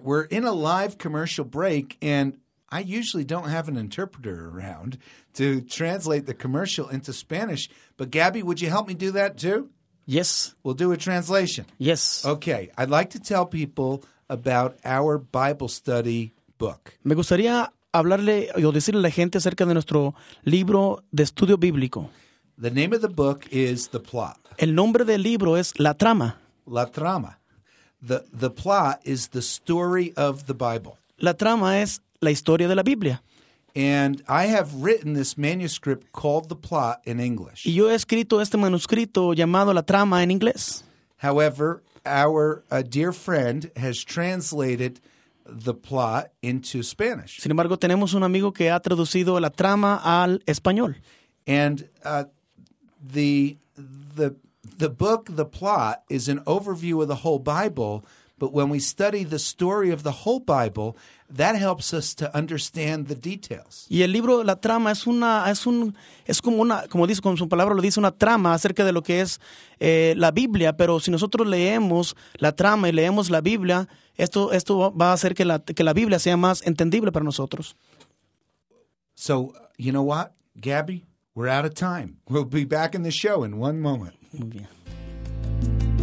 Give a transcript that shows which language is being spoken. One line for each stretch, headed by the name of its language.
English: We're in a live commercial break, and I usually don't have an interpreter around to translate the commercial into Spanish. But Gabby, would you help me do that too? Yes. We'll do a translation. Yes. Okay. I'd like to tell people about our Bible study book.
Spanish: Me gustaría hablarle o decirle a la gente acerca de nuestro libro de estudio bíblico.
English: The name of the book is The Plot.
Spanish: El nombre del libro es La Trama.
English: La Trama. The plot is the story of the Bible.
Spanish: La Trama es la historia de la Biblia.
English: And I have written this manuscript called The Plot in English.
Spanish: Y yo he escrito este manuscrito llamado La Trama en inglés.
English: However, our dear friend has translated The Plot into Spanish.
Spanish: Sin embargo, tenemos un amigo que ha traducido La Trama al español.
English: And the book The Plot is an overview of the whole Bible. But when we study the story of the whole Bible, that helps us to understand the details.
Spanish: Y el libro La Trama es como una, como dice, con su palabra lo dice, una trama acerca de lo que es la Biblia. Pero si nosotros leemos la trama y leemos la Biblia, esto va a hacer que la Biblia sea más entendible para nosotros.
English: So, you know what, Gabby? We're out of time. We'll be back in the show in one moment.
Spanish: Muy bien.